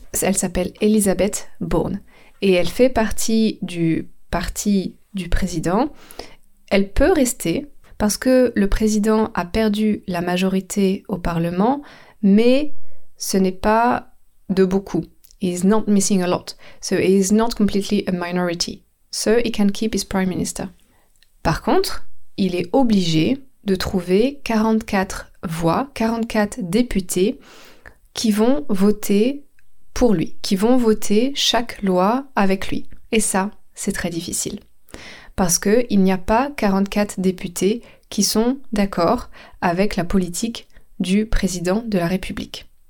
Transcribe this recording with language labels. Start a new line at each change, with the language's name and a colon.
French: Elle s'appelle Elizabeth Bourne et elle fait partie du parti du président. Elle peut rester parce que le président a perdu la majorité au Parlement, mais ce n'est pas de beaucoup.
English: He is not missing a lot. So he is not completely a minority. So he can keep his prime minister.
French: Par contre, il est obligé de trouver 44 voix, 44 députés qui vont voter pour lui, qui vont voter chaque loi avec lui. Et ça, c'est très difficile. Parce qu'il n'y a pas 44 députés qui sont d'accord avec la politique du président de la République.